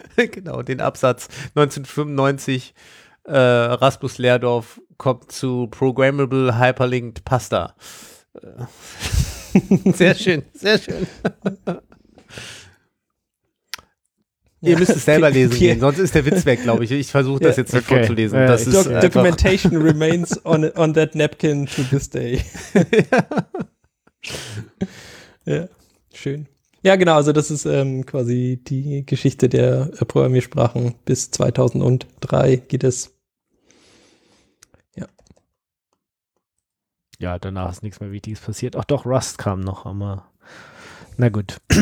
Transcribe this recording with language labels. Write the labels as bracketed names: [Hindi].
[German] genau, den Absatz 1995 Rasmus Lehrdorf kommt zu Programmable Hyperlinked Pasta. Sehr schön, sehr schön. Ihr müsst es selber lesen gehen, sonst ist der Witz weg, glaube ich. Ich versuche das jetzt nicht vorzulesen. Das ist [English] Documentation remains on that napkin to this day. [German] Ja, schön. Ja, genau, also das ist quasi die Geschichte der Programmiersprachen. Bis 2003 geht es. Ja, danach ist nichts mehr Wichtiges passiert. Ach doch, Rust kam noch, aber na gut.